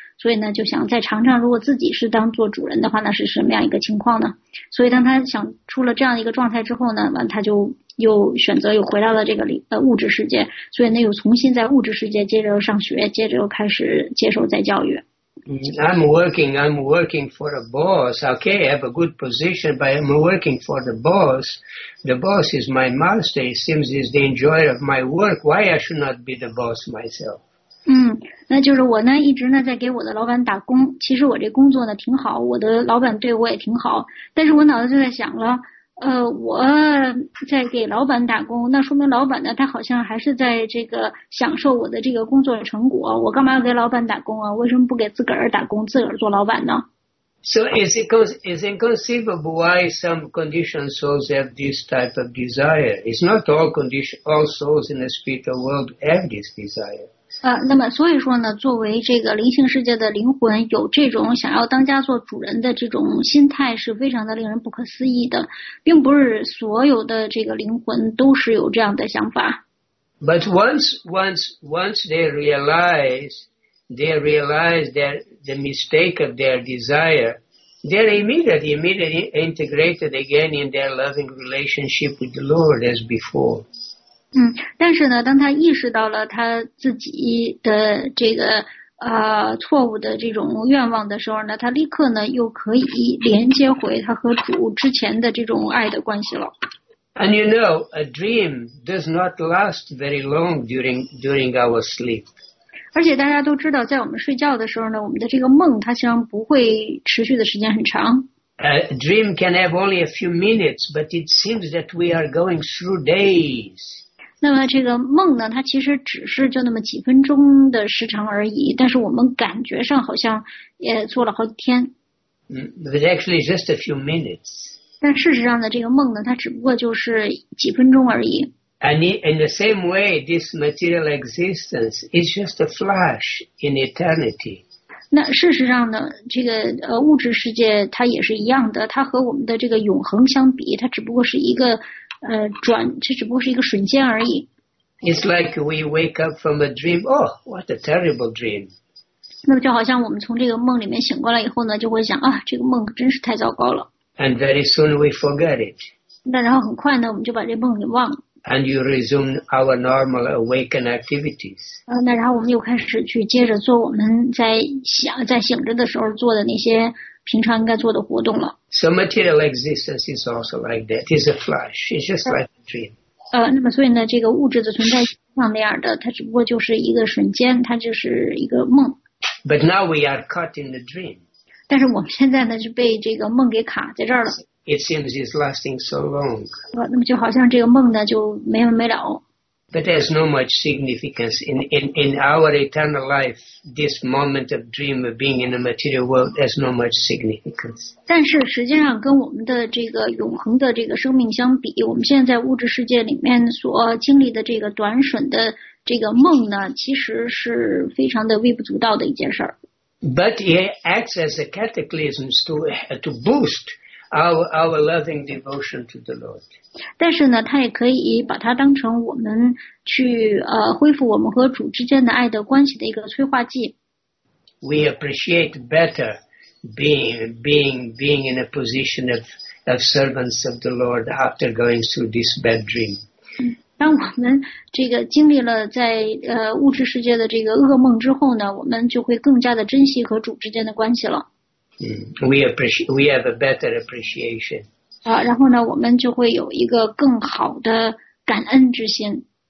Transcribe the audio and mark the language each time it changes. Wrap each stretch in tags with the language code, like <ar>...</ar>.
<zh>所以呢，就想再尝尝，如果自己是当做主人的话，那是什么样一个情况呢？所以当他想出了这样一个状态之后呢，完他就又选择又回到了这个物质世界，所以呢又重新在物质世界接着又上学，接着又开始接受再教育。</zh> <en>I'm working for a boss. Okay, I have a good position, but I'm working for the boss. The boss is my master. It seems he's the enjoyer of my work. Why I should not be the boss myself?</en> <zh>那就是我呢一直呢在给我的老板打工，其实我这工作呢挺好，我的老板对我也挺好，但是我脑子就在想了，我在给老板打工，那说明老板呢他好像还是在这个享受我的这个工作成果，我干嘛要给老板打工啊？为什么不给自个儿打工，自个儿做老板呢？</zh> <en>So is inconceivable why some conditioned souls have this type of desire? It's not all condition, all souls in the spiritual world have this desire.</en> <zh>那么所以说呢，作为这个灵性世界的灵魂，有这种想要当家做主人的这种心态，是非常的令人不可思议的，并不是所有的这个灵魂都是有这样的想法。</zh> <en>But once they realize that the mistake of their desire, they're immediately integrated again in their loving relationship with the Lord as before.</en> <zh>但是呢，当他意识到了他自己的这个错误的这种愿望的时候呢，他立刻呢又可以连接回他和主之前的这种爱的关系了。</zh> <en>And you know, a dream does not last very long during our sleep.</en> <zh>而且大家都知道，在我们睡觉的时候呢，我们的这个梦它实际上不会持续的时间很长。</zh> <en>A dream can have only a few minutes, but it seems that we are going through days.</en> <zh>那么这个梦呢，它其实只是就那么几分钟的时长而已，但是我们感觉上好像也做了好几天。</zh> <en>It's actually just a few minutes.</en> <zh>但事实上呢，这个梦呢，它只不过就是几分钟而已。</zh> <en>And in the same way, this material existence is just a flash in eternity.</en> <zh>那事实上呢，这个物质世界它也是一样的，它和我们的这个永恒相比，它只不过是一个。这只不过是一个瞬间而已。</zh> <en>It's like we wake up from a dream. Oh, what a terrible dream!</en> <zh>那么就好像我们从这个梦里面醒过来以后呢，就会想啊，这个梦真是太糟糕了。</zh> <en>And very soon we forget it.</en> <zh>那然后很快呢，我们就把这梦给忘了。</zh> <en>And you resume our normal awakened activities.</en> <zh>那然后我们又开始去接着做我们在醒着的时候做的那些平常应该做的活动了。</zh> <en>So material existence is also like that. It's a flash. It's just like a dream.</en> <zh>那么所以呢，这个物质的存在像那样的，它只不过就是一个瞬间，它就是一个梦。</zh> <en>But now we are caught in the dream.</en> <zh>但是我们现在呢，是被这个梦给卡在这儿了。</zh> <en>It seems it's lasting so long.</en> <zh>那么就好像这个梦呢，就没完没了。</zh> <en>But there's no much significance in our eternal life. This moment of dream of being in the material world has no much significance.</en> <zh>但是实际上跟我们的这个永恒的这个生命相比，我们现在在物质世界里面所经历的这个短瞬的这个梦呢，其实是非常的微不足道的一件事儿。</zh> <en>But it acts as a cataclysm to boost. Our loving devotion to the Lord.</en> <zh>但是呢，他也可以把它当成我们去恢复我们和主之间的爱的关系的一个催化剂。</zh> <en>We appreciate better being in a position of servants of the Lord after going through this bad dream.</en> <zh>当我们这个经历了在物质世界的这个噩梦之后呢，我们就会更加的珍惜和主之间的关系了。</zh> <en>We have a better appreciation.</en> <zh>然后呢，我们就会有一个更好的感恩之心。</zh>